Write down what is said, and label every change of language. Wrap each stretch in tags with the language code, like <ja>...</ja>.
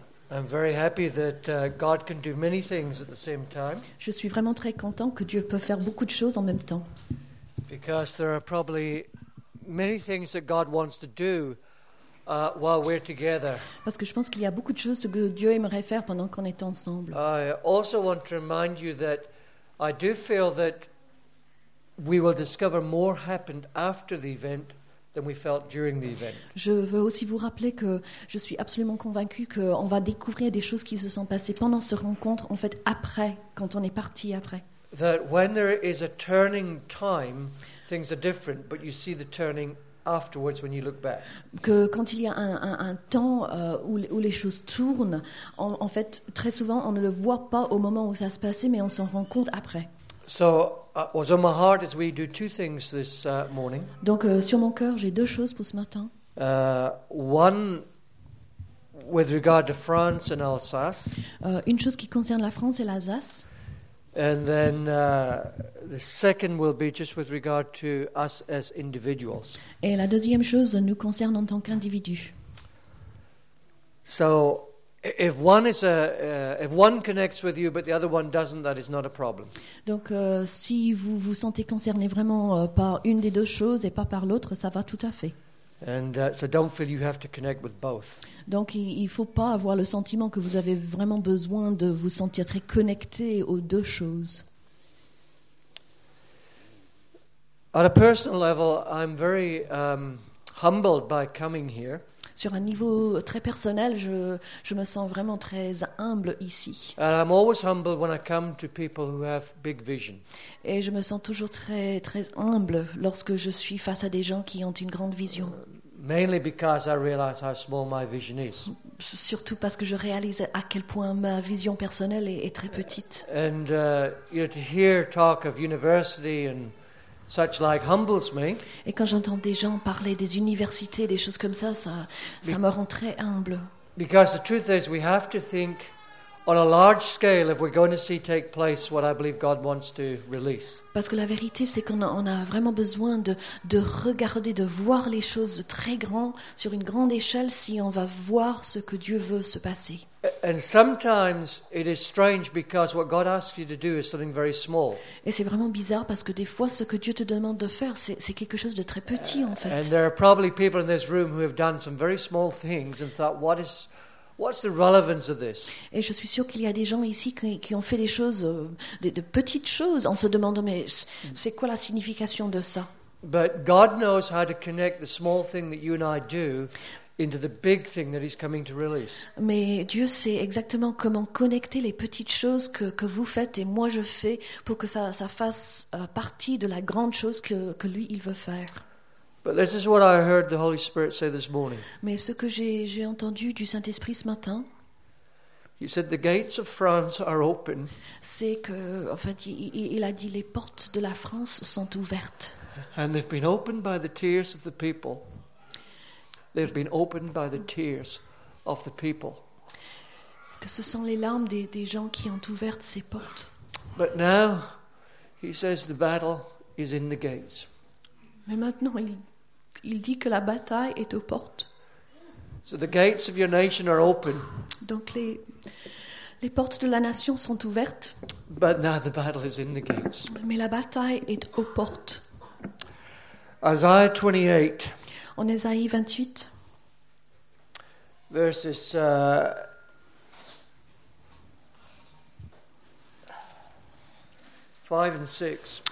<en>I'm very happy that God can do many things at the same time.</en> <fr>Je suis vraiment très content que Dieu peut faire beaucoup de choses en même temps.</fr> <en>Because there are probably many things that God wants to do while we're together.</en> <fr>Parce que je pense qu'il y a beaucoup de choses que Dieu aimerait faire pendant qu'on est ensemble.</fr> <en>I also want to remind you that I do feel that we will discover more happened after the event than we felt during the event.</en> <fr>Je veux aussi vous rappeler que je suis absolument convaincue qu'on va découvrir des choses qui se sont passées pendant cette rencontre, en fait, après, quand on est parti après.</fr> <en>That when there is a turning time, things are different, but you see the turning afterwards when you look back.</en> <fr>Que quand il y a un temps où les choses tournent, en fait, très souvent, on ne le voit pas au moment où ça se passait, mais on s'en rend compte après.</fr> <en>So, was on my heart as we do two things this morning.</en> <fr>Donc sur mon cœur, j'ai deux choses pour ce matin.</fr> <en>One with regard to France and Alsace.</en> <fr>Une chose qui concerne la France et l'Alsace.</fr> <en>And then the second will be just with regard to us as individuals.</en> <fr>Et la deuxième chose nous concerne en tant qu'individus.</fr> <en>So if one is if one connects with you but the other one doesn't, that is not a problem.</en> <fr>Donc si vous vous sentez concerné vraiment par une des deux choses et pas par l'autre, ça va tout à fait.</fr> <en>And so don't feel you have to connect with both.</en> <fr>Donc il faut pas avoir le sentiment que vous avez vraiment besoin de vous sentir très connecté aux deux choses.</fr> <en>On a personal level, I'm very humbled by coming here.</en> <fr>Sur un niveau très personnel, je me sens vraiment très humble ici.</fr> <en>And I'm always humble when I come to people who have big vision.</en> <fr>Et je me sens toujours très très humble lorsque je suis face à des gens qui ont une grande vision.</fr> <en>Mainly because I realize how small my vision is.</en> <fr>Surtout parce que je réalise à quel point ma vision personnelle est très petite.</fr> <en>And to hear talk of university and such like humbles me.</en> <fr>Et quand j'entends des gens parler des universités, des choses comme ça, ça me rend très humble.</fr> <en>Because the truth is, we have to think on a large scale if we're going to see take place what I believe God wants to release.</en> <fr>Parce que la vérité, c'est qu'on a vraiment besoin de regarder, de voir les choses très grand, sur une grande échelle, si on va voir ce que Dieu veut se passer.</fr> <en>And sometimes it is strange because what God asks you to do is something very small.</en> <fr>Et c'est vraiment bizarre parce que des fois ce que Dieu te demande de faire c'est quelque chose de très petit en fait.</fr> <en>And there are probably people in this room who have done some very small things and thought what's the relevance of this?</en> <fr>Et je suis sûr qu'il y a des gens ici qui ont fait des choses de petites choses en se demandant mais c'est quoi la signification de ça?</fr> <en>But God knows how to connect the small thing that you and I do into the big thing that he's coming to release.</en> <fr>Mais Dieu sait exactement comment connecter les petites choses que vous faites et moi je fais pour que ça fasse partie de la grande chose que lui il veut faire.</fr> <en>But this is what I heard the Holy Spirit say this morning.</en> <fr>Mais ce que j'ai entendu du Saint-Esprit ce matin.</fr> <en>He said the gates of France are open.</en> <fr>C'est que en fait il a dit les portes de la France sont ouvertes.</fr> <en>And they've been opened by the tears of the people. They've been opened by the tears of the people.</en> <fr>Que ce sont les larmes des gens qui ont ouvert ces portes.</fr> <en>But now, he says the battle is in the gates.</en> <fr>Mais maintenant, il dit que la bataille est aux portes.</fr> <en>So the gates of your nation are open.</en> <fr>Donc les portes de la nation sont ouvertes.</fr> <en>But now the battle is in the gates.</en> <fr>Mais la bataille est aux portes.</fr> <en>Isaiah 28.</en> <fr>En Ésaïe 28,</fr> <en>verses 5 and 6.</en>